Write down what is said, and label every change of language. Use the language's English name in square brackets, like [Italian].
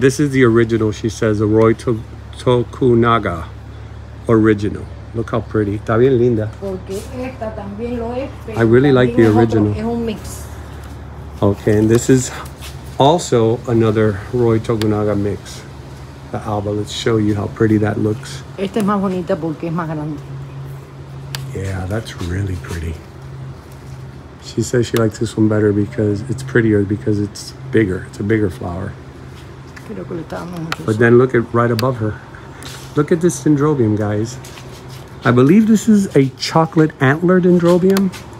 [English] This is the original, she says, the Roy Tokunaga original. Look how pretty. [Spanish] Está bien linda. Porque esta también lo es, [English] I really like the original. [Spanish] Es un mix. [English] Okay, and this is also another Roy Tokunaga mix. The Alba, let's show you how pretty that looks. [Spanish] Esta es más bonita porque es más grande. [English] Yeah, that's really pretty. She says she likes this one better because it's prettier, because it's bigger. It's a bigger flower. But then look at right above her. Look at this dendrobium, guys. I believe this is a chocolate antler dendrobium.